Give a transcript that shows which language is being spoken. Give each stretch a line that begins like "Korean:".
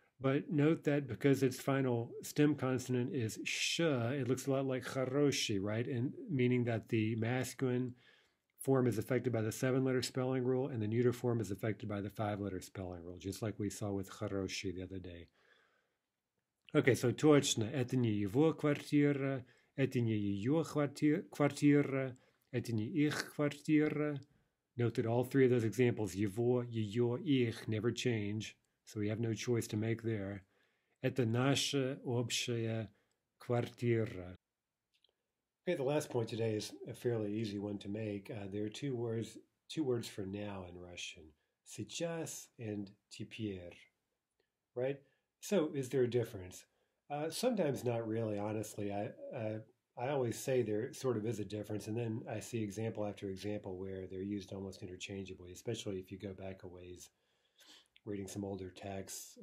English: But note that because its final stem consonant is sh, it looks a lot like хороший, right? And meaning that the masculine form is affected by the seven-letter spelling rule and the neuter form is affected by the five-letter spelling rule, just like we saw with хороший the other day.
Russian: Okay, so точно, это не его квартира, это не ее квартира, это не их квартира.
English: Note that all three of those examples, его, ее, их, never change, so we have no choice to make there.
Russian: Это наша общая квартира.
English: Okay, the last point today is a fairly easy one to make. There are two words two words for now in Russian, сейчас and теперь, right? So is there a difference? Sometimes not really, honestly. I always say there sort of is a difference, and then I see example after example where they're used almost interchangeably, especially if you go back a ways reading some older texts.